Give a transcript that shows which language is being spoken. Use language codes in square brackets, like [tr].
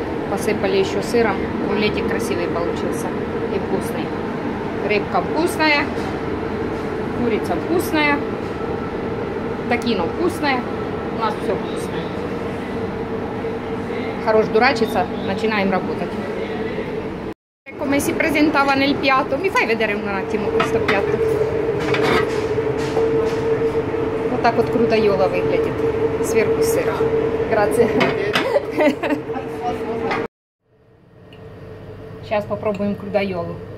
[ru] Посыпали еще сыром. Рулетик красивый получился и вкусный. Рыбка вкусная, курица вкусная, такино вкусное, у нас все вкусное. Хорош дурачиться, начинаем работать. [it] Ecco, come si presentava nel piatto. Mi fai vedere un attimo questo piatto? [ru] Вот так вот крутойола выглядит, сверху сыр. [it] Grazie. [ru] Сейчас попробуем крудоёлу.